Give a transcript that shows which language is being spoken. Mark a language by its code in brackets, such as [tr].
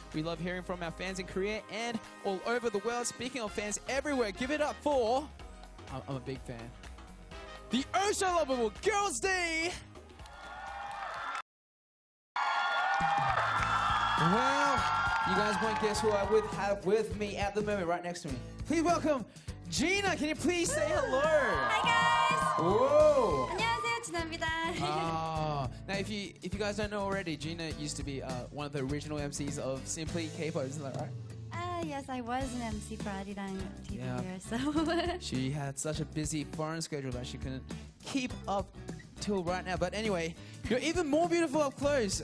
[en] We love hearing from our fans in Korea and all over the world. Speaking of fans everywhere, give it up for... I'm a big fan. The Osho Lovable Girls' Day! Well, you guys won't guess who I have with me at the moment, right next to me. Please welcome... G.NA, can you please say hello? Hi guys. Whoa. [ko] 안녕하세요, 진아입니다. [en] Now if you guys don't know already, G.NA used to be one of the original MCs of Simply K-Pop, isn't that right? Yes, I was an MC for Adidang TV here, so. She had such a busy foreign schedule that she couldn't keep up till right now. But anyway, you're even more beautiful up close.